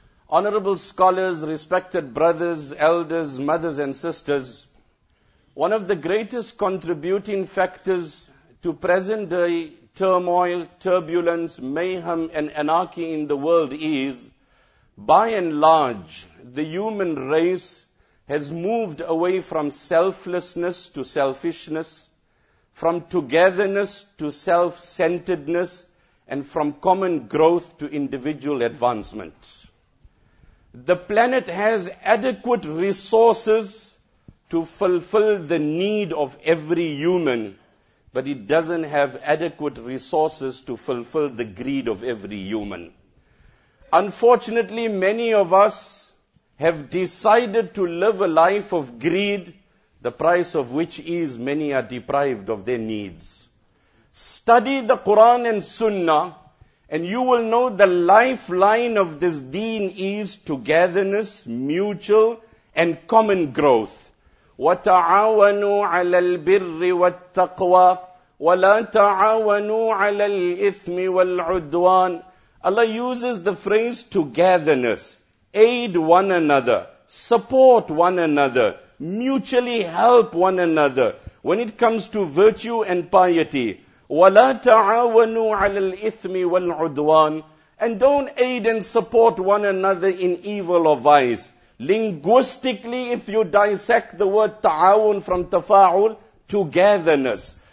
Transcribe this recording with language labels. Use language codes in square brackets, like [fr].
[en] Honorable scholars, respected brothers, elders, mothers and sisters, one of the greatest contributing factors to present day turmoil, turbulence, mayhem and anarchy in the world is, by and large, the human race has moved away from selflessness to selfishness, from togetherness to self-centeredness, and from common growth to individual advancement. The planet has adequate resources to fulfill the need of every human, but it doesn't have adequate resources to fulfill the greed of every human. Unfortunately, many of us have decided to live a life of greed, the price of which is many are deprived of their needs. Study the Quran and Sunnah, and you will know the lifeline of this deen is togetherness, mutual, and common growth. [ar] وَتَعَاوَنُوا عَلَى الْبِرِّ وَالتَّقْوَى وَلَا تَعَاوَنُوا عَلَى الْإِثْمِ وَالْعُدْوَانِ [en] Allah uses the phrase togetherness. Aid one another. Support one another. Mutually help one another. When it comes to virtue and piety, [ar] وَلَا تَعَاوَنُوا عَلَى الْإِثْمِ وَالْعُدْوَانِ [en] And don't aid and support one another in evil or vice. Linguistically, if you dissect the word ta'awun from tafa'ul, togetherness.